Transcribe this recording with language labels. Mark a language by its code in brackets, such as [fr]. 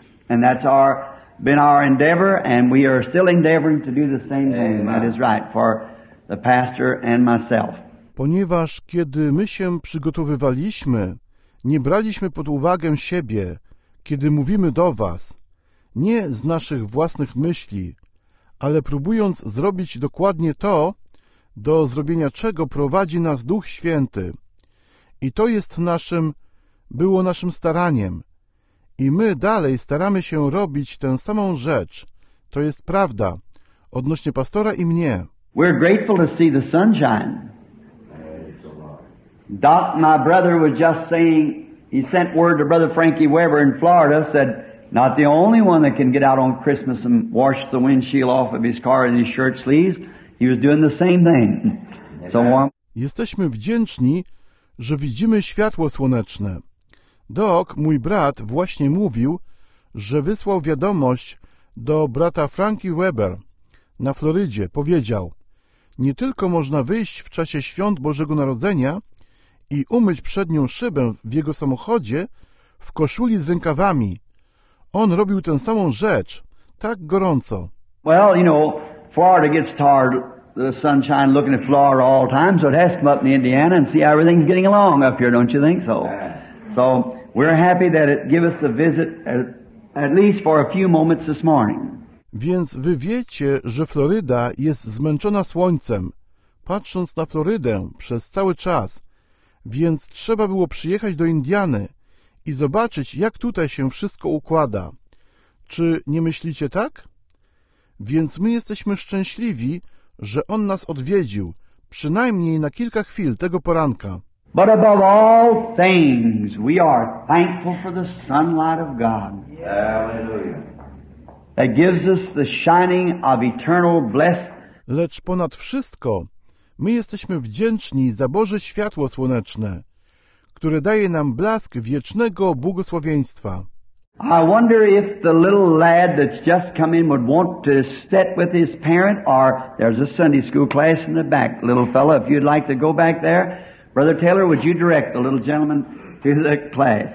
[en] And that's been our endeavor, and we are still endeavoring to do the same thing. Amen. That is right for the pastor and myself. [pl] Ponieważ kiedy my się przygotowywaliśmy, nie braliśmy pod uwagę siebie, kiedy mówimy do was, nie z naszych własnych myśli, ale próbując zrobić dokładnie to, do zrobienia czego prowadzi nas Duch Święty. I to było naszym staraniem. I my dalej staramy się robić tę samą rzecz. To jest prawda, odnośnie pastora i mnie. [en] We're grateful to see the sunshine. Doc, my brother, was just saying, he sent word to Brother Frankie Weber in Florida, said, not the only one that can get out on Christmas and wash the windshield off of his car and his shirt sleeves. He was doing the same thing. So warm. [pl] Jesteśmy wdzięczni, że widzimy światło słoneczne. Doc, mój brat, właśnie mówił, że wysłał wiadomość do brata Frankie Weber na Florydzie. Powiedział, nie tylko można wyjść w czasie świąt Bożego Narodzenia i umyć przednią szybę w jego samochodzie w koszuli z rękawami. On robił tę samą rzecz, tak gorąco. [en] Well, you know, Florida gets tired of the sunshine looking at Florida all the time, so it has to come up in Indiana and see how everything's getting along up here, don't you think so? So, we're happy that it gives us a visit at least for a few moments this morning. [pl] Więc wy wiecie, że Floryda jest zmęczona słońcem, patrząc na Florydę przez cały czas, więc trzeba było przyjechać do Indiany i zobaczyć, jak tutaj się wszystko układa. Czy nie myślicie tak? Więc my jesteśmy szczęśliwi, że on nas odwiedził, przynajmniej na kilka chwil tego poranka. [en] But above all things, we are thankful for the sunlight of God. Hallelujah. That gives us the shining of eternal blessing. [pl] Lecz ponad wszystko, my jesteśmy wdzięczni za Boże światło słoneczne, które daje nam blask wiecznego błogosławieństwa. [en] I wonder if the little lad that's just come in would want to sit with his parent, or there's a Sunday school class in the back, little fellow, if you'd like to go back there, Brother Taylor, would you direct the little gentleman to the class?